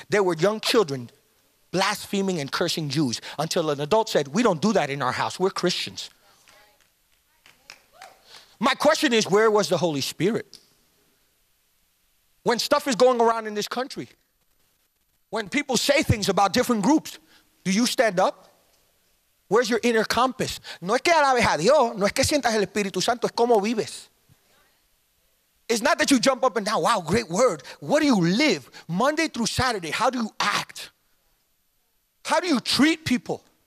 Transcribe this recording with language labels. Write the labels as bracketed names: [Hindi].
[English] There were young children blaspheming and cursing Jews until an adult said, we don't do that in our house. We're Christians. My question is, where was the Holy Spirit? When stuff is going around in this country, when people say things about different groups, do you stand up? Where's your inner compass? [Spanish] No es que alabes a Dios, no es que sientas el Espíritu Santo, es como vives. [English] It's not that you jump up and down, wow, great word. What do you live Monday through Saturday? How do you act? How do you treat people?